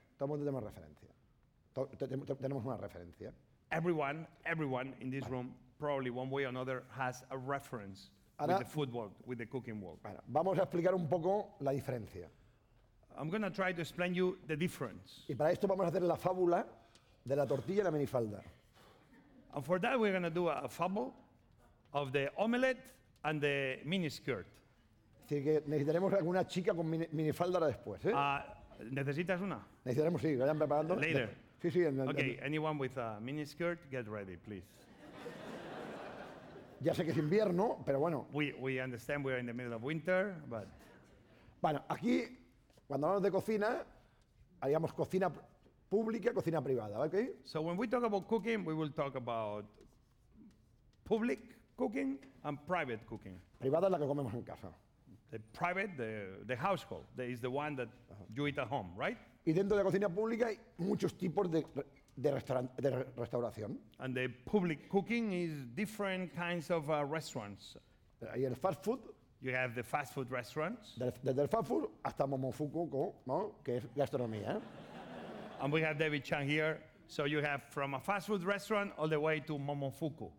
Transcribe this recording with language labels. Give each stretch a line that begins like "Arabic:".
Spanish: Todo el mundo tenemos referencia. Tenemos una referencia.
English: Everyone in this room, probably one way or another, has a reference.
Spanish: Ahora,
English: with the food world, with the cooking world.
Spanish: Vamos a explicar un poco la diferencia.
English: I'm going to try to explain you the difference.
Spanish: Y para esto vamos a hacer la fábula de la tortilla y la minifalda.
English: And for that we're going to do a fable of the omelette and the miniskirt.
Spanish: Es decir, que necesitaremos alguna chica con minifalda ahora después, ¿eh? ¿Necesitas una? Necesitaremos, sí, que vayan preparando.
English: Later.
Spanish: Sí, en el...
English: Okay, anyone with a miniskirt, get ready, please.
Spanish: Ya sé que es invierno, pero bueno.
English: We understand we are in the middle of winter, but...
Spanish: Bueno, aquí, cuando hablamos de cocina, haríamos cocina pública, cocina privada, okay?
English: So when we talk about cooking, we will talk about public cooking and private cooking.
Spanish: Privada es la que comemos en casa.
English: The private, the household, that is the one that you eat at home, right?
Spanish: Y dentro de la cocina pública hay muchos tipos de restauración.
English: And the public cooking is different kinds of restaurants.
Spanish: Y el fast food.
English: You have the fast food restaurants.
Spanish: Desde el fast food hasta Momofuku, ¿no? Que es gastronomía.
English: And we have David Chang here. So you have from a fast food restaurant all the way to Momofuku.